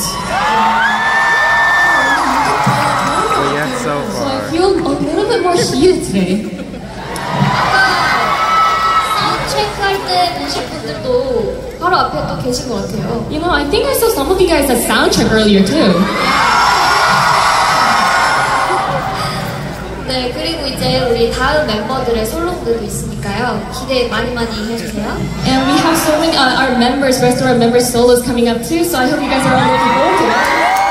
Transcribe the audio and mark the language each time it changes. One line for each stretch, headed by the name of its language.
English: Yeah, so far. So I feel a little bit more heated today. You know, I think I saw some of you guys at soundcheck earlier too.
Korean: 네, 그리고 이제 우리 다음 멤버들의 솔로들도 있으니까요. 기대 많이 많이 해주세요.
English: And we have so many our members, rest of our members' solos coming up too, so I hope you guys are all looking forward to it.